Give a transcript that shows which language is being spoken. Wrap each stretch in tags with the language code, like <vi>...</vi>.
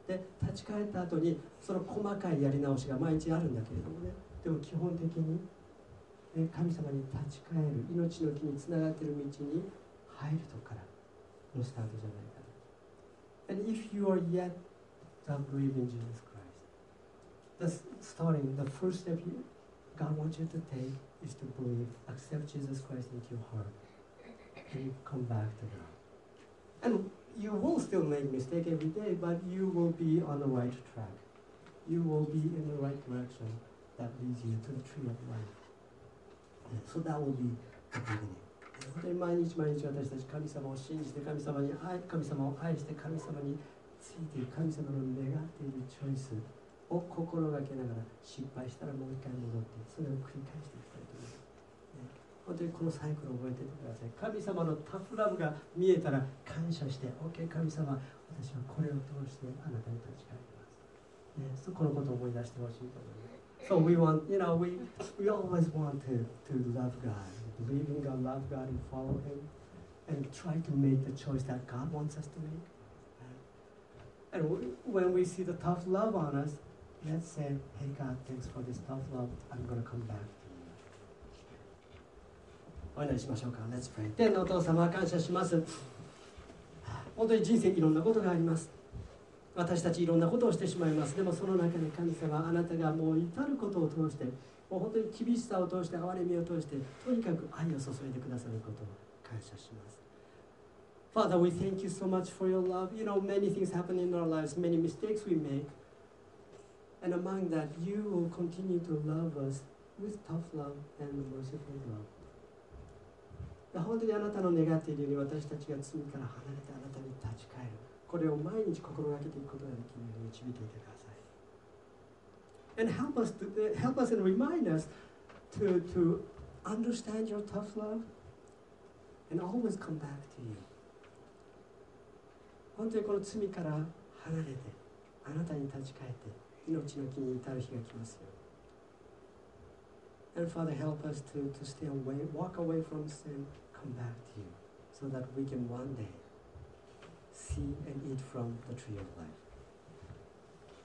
<ja>で、立ち返った後にその細かいやり直しが毎日あるんだけれどもね。でも基本的に神様に立ち返る、命の木につながっている道に入るところからのスタートじゃないかな。</ja> <en>And if you are yet to believe in Jesus Christ, the starting, the first step you, God wants you to take,is to believe, accept Jesus Christ into your heart, and come back to God. And you will still make mistakes every day, but you will be on the right track. you will be in the right direction that leads you to the tree of life. So that will be the beginning.</en> <ja>本当に毎日毎日私たち神様を信じて神様に愛、神様を愛して神様についている神様の願っているチョイスを心がけながら失敗したらもう一回戻ってそれを繰り返していきたいと思います。本当にこのサイクルを覚えていてください。神様のタフラブが見えたら感謝して OK 神様私はこれを通してあなたに立ち返ります。そこのことを思い出してほしいと思います。</ja> <en>So we want, you know, we always want to love God, believe in God, love God, and follow Him, and try to make the choice that God wants us to make. And when we see the tough love on us, let's say, hey God, thanks for this tough love, I'm going to come back to you.</en> <ja>お祈りしましょうか。</ja> <en>Let's pray.</en> <ja>天のお父様、感謝します。本当に人生いろんなことがあります。私たちいろんなことをしてしまいます。でもその中で神様あなたがもう至ることを通してもう本当に厳しさを通して哀れみを通してとにかく愛を注いでくださることを感謝します。</ja> <en>Father we thank you so much for your love. You know many things happen in our lives, many mistakes we make, and among that you will continue to love us with tough love and merciful love.</en> <ja>本当にあなたの願っているように私たちが罪から離れてあなたに立ち返る、これを毎日心がけていくことができるように導いていてください。</ja> <en>And help us to help us and remind us to understand your tough love and always come back to you.</en> <ja>本当にこの罪から離れてあなたに立ち返って命の木に至る日が来ますよ。</ja> <en>And Father, help us to stay away, walk away from sin, come back to you, so that we can one day. See and eat from the tree of life.</en>